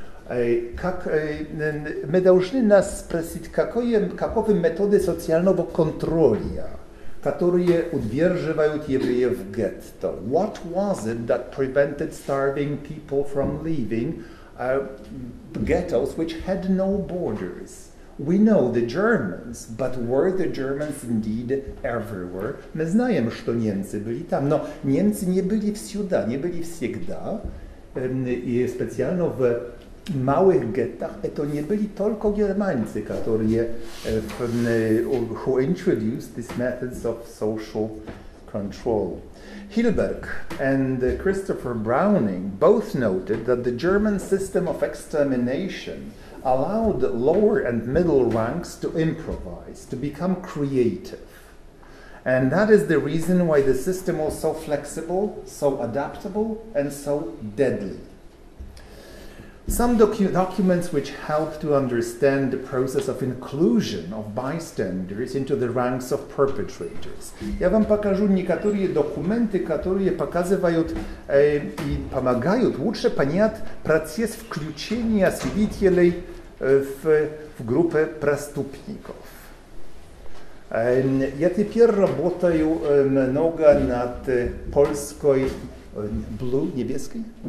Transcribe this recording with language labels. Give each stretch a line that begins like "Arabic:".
Russian: Как мы должны нас спросить, каковы методы социального контроля, которые удерживают евреев в гетто?
English: What was it that prevented starving people from leaving ghettos which had no borders? We know the Germans, but were the Germans indeed everywhere?
Russian: Мы знаем, что немцы были там, но немцы не были всюду, не были всегда, и специально в в малых геттах это не были только германцы, которые
English: who introduced these methods of social control. Hilberg and Christopher Browning both noted that the German system of extermination allowed lower and middle ranks to improvise, to become creative. And that is the reason why the system was so flexible, so adaptable, and so deadly. Some documents which help to understand the process of inclusion of bystanders into the ranks of perpetrators.
Russian: Я вам покажу некоторые документы, которые показывают и помогают лучше понять процесс включения свидетелей в группы преступников. Я теперь работаю много над польской
English: blue,
Russian: небеской?